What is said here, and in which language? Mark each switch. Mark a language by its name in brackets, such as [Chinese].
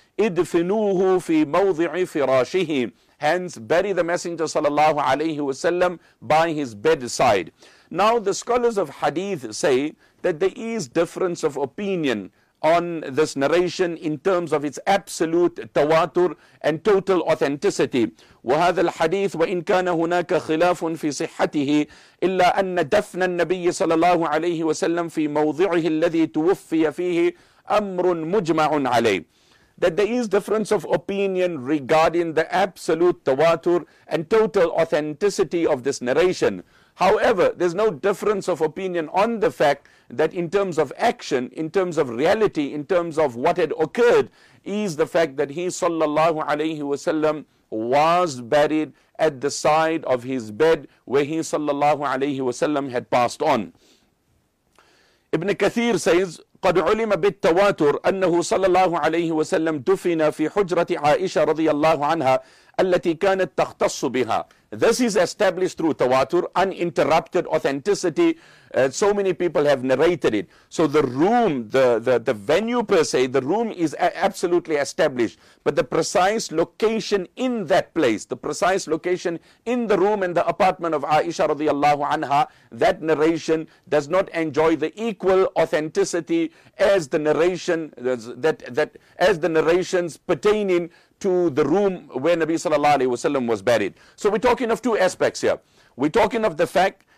[Arabic] اِدْفِنُوهُ فِي مَوْضِعِ فِرَاشِهِ, [English] hence bury the Messenger sallallahu alayhi wasallam by his bedside. Now the scholars of hadith say that there is difference of opinion on this narration in terms of its absolute tawatur and total authenticity. [Arabic] وَهَذَا الْحَدِيثُ وَإِنْ كَانَ هُنَاكَ خِلَافٌ فِي صِحَّتِهِ إِلَّا أَنَّ دَفْنَ النَّبِيِّ صَلَى اللَّهُ عَلَيْهِ وَسَلَّمْ فِي مَوْضِعِهِ الَّذِي تُوُفِّيَ فِيهِ أَمْرٌ مُجْمَعٌ عَلَيْهِ, [English] that there is difference of opinion regarding the absolute tawatur and total authenticity of this narration. However, there's no difference of opinion on the fact that in terms of action, in terms of reality, in terms of what had occurred, is the fact that he sallallahu alayhi wasallam was buried at the side of his bed where he sallallahu alayhi wasallam had passed on. Ibn Kathir says, [Arabic] قد علم بالتواتر أنه صلى الله عليه وسلم دفن في حجرة عائشة رضي الله عنها التي كانت تختص بها. [English] This is established through tawatur, uninterrupted authenticity. So many people have narrated it. So the room, the venue per se, the room is absolutely established. But the precise location in that place, the precise location in the room and the apartment of Aisha radiallahu anha, that narration does not enjoy the equal authenticity as the narration as the narrations pertaining to the room where Nabi sallallahu alayhi wasallam was buried. So we're talking of two aspects here. We're talking of the fact